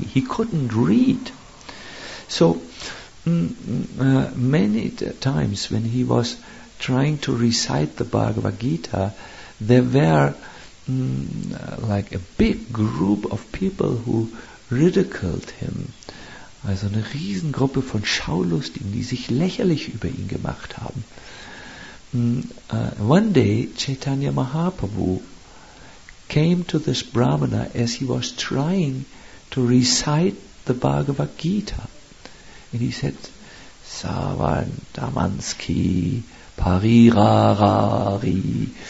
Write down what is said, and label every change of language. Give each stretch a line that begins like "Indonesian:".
English: He couldn't read. So many times when he was trying to recite the Bhagavad Gita, there were like a big group of people who ridiculed him.
German: Also eine Riesengruppe von Schaulustigen, die sich lächerlich über ihn gemacht haben.
English: One day, Chaitanya Mahaprabhu came to this brahmana as he was trying to recite the Bhagavad Gita. And he said, Savantamanski Parirarari.